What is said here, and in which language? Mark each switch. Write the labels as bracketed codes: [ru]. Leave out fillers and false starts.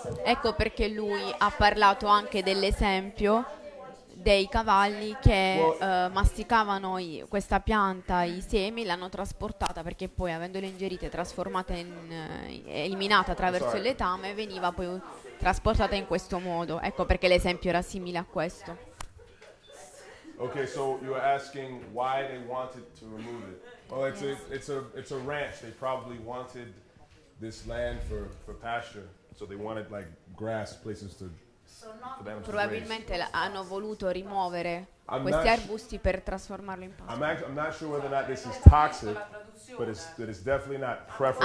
[it] Ecco perché lui ha parlato anche dell'esempio dei cavalli che masticavano questa pianta, i semi, l'hanno trasportata, perché poi avendole ingerite, trasformata in eliminata attraverso il letame, veniva poi trasportata in questo modo. Ecco perché l'esempio era simile a questo. [en] Okay, so you were asking why they wanted to remove it. Well, it's a ranch. They probably wanted this land for pasture, so they wanted like grass places to. [it] Probabilmente hanno voluto rimuovere questi arbusti per trasformarlo in pasto. [en] I'm not sure whether or not this is toxic, but it's definitely not preferable.